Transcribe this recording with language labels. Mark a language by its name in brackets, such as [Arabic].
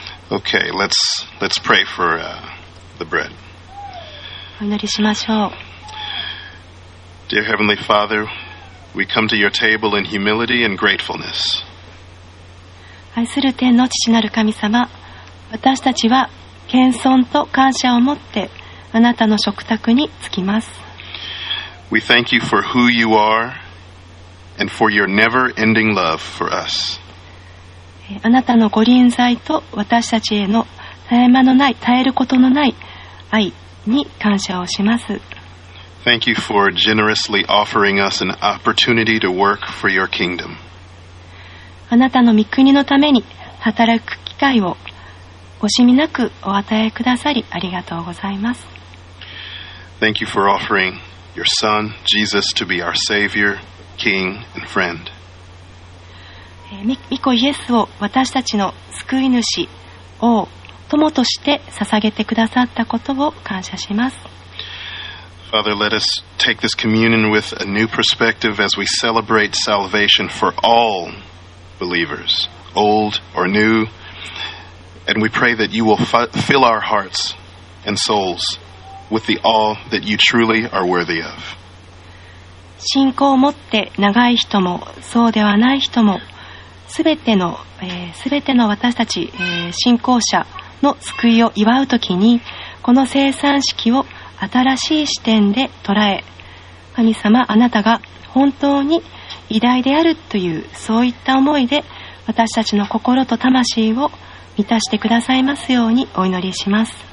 [English] Okay, let's pray for, the bread. [Japanese] お祈りしましょう。 [English] Dear Heavenly Father, we come to your table in humility and gratefulness. [Japanese] 愛する天の父なる神様、私たちは謙遜と感謝を持ってあなたの食卓に着きます。 [English] We thank you for who you are and for your never-ending love for us. [Japanese] あなたのご臨在と私たちへの絶えることのない愛に感謝をします。 [English] Thank you for generously offering us an opportunity to work for your kingdom. [Japanese] あなたの御国のために働く機会を惜しみなくお与えくださりありがとうございます。 [English] Thank you for offering your son, Jesus, to be our Savior, King, and friend. [Japanese] ミコイエスを私たちの救い主、王、友として捧げてくださったことを感謝します。 [English] Father, let us take this communion with a new perspective as we celebrate salvation for all believers, old or new, and we pray that you will fill our hearts and souls with the awe that you truly are worthy of. [Japanese] 信仰を持って長い人もそうではない人もすべての私たち、信仰者の救いを祝うときに、この聖餐式を新しい視点で捉え、神様あなたが本当に偉大であるという、そういった思いで私たちの心と魂を満たしてくださいますようにお祈りします。